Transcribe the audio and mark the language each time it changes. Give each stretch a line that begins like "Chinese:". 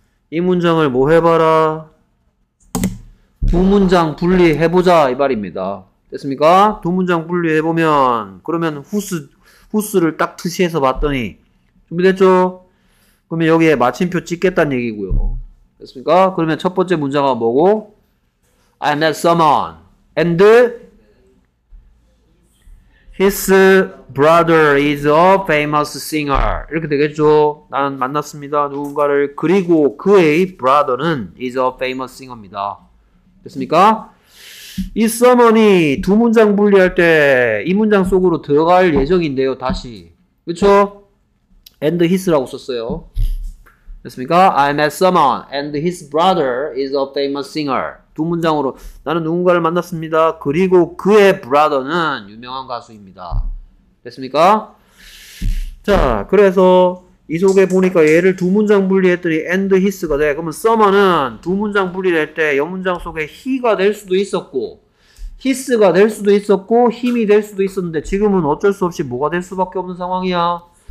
Korean: 이 문장을 뭐 해봐라. 두 문장 분리해보자 이 말입니다. 됐습니까? 두 문장 분리해보면 그러면 후스를 딱 투시해서 봤더니 준비됐죠? 그러면 여기에 마침표 찍겠다는 얘기고요. 됐습니까? 그러면 첫 번째 문장은 뭐고?
English: I met someone and his brother is a famous singer.
Korean: 이렇게 되겠죠? 나는 만났습니다. 누군가를. 그리고 그의 brother는
English: is a famous singer
Korean: 입니다. 됐습니까? 이 서머니 두 문장 분리할 때이 문장 속으로 들어갈 예정인데요, 다시. 그쵸?
English: and his
Korean: 라고 썼어요. 됐습니까?
English: I met someone and his brother is a famous singer.
Korean: 두 문장으로 나는 누군가를 만났습니다. 그리고 그의 brother는 유명한 가수입니다. 됐습니까? 자, 그래서 이 속에 보니까 얘를 두 문장 분리했더니
English: and his
Korean: 가 돼. 그러면 someone은 두 문장 분리될 때 영문장 속에 he가 될 수도 있었고 히스가 될 수도 있었고 힘이 될 수도 있었는데 지금은 어쩔 수 없이 뭐가 될 수밖에 없는 상황이야.